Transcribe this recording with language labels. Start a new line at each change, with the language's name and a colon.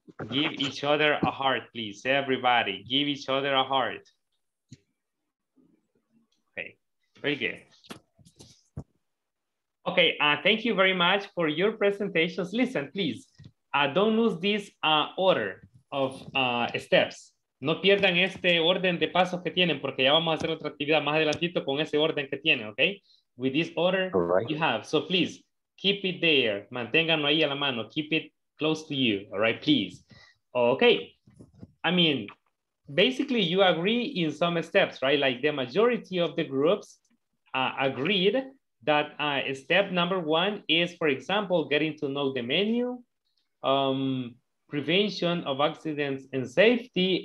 English: Give each other a heart, please. Everybody, give each other a heart. Okay, very good. Okay, thank you very much for your presentations. Listen, please, don't lose this order of steps.
Spanish: No pierdan este orden de pasos que tienen porque ya vamos a hacer otra actividad más adelantito con ese orden que tienen, okay?
English: With this order you have. So please, keep it there.
Spanish: Manténganlo ahí a la mano.
English: Keep it close to you, all right, please. Okay, I mean, basically you agree in some steps, right? Like the majority of the groups agreed that step number one is, for example, getting to know the menu, prevention of accidents and safety.